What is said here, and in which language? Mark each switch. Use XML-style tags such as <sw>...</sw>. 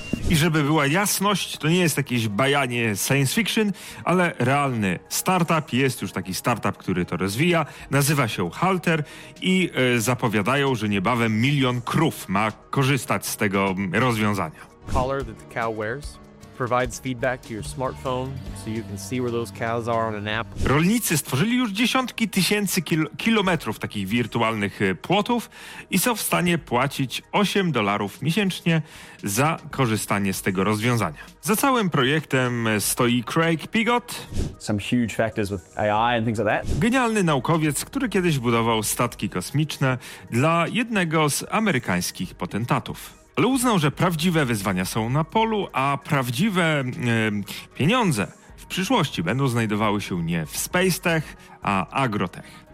<pl>I żeby była jasność, to nie jest jakieś bajanie science fiction, ale realny startup, jest już taki startup, który to rozwija, nazywa się Halter i zapowiadają, że niebawem milion krów ma korzystać z tego rozwiązania.</pl> <en>Collar that the cow wears provides feedback to your smartphone, so you can see where those cows are on an app.</en> <pl>Rolnicy stworzyli już dziesiątki tysięcy kilometrów takich wirtualnych płotów i są w stanie płacić $8 miesięcznie za korzystanie z tego rozwiązania. Za całym projektem stoi Craig Pigott.</pl> <en>Some huge factors with AI and things like that.</en> <pl>Genialny naukowiec, który kiedyś budował statki kosmiczne dla jednego z amerykańskich potentatów. Ale uznał, że prawdziwe wyzwania są na polu, a prawdziwe pieniądze w przyszłości będą znajdowały się nie w space tech, a agrotech.</pl>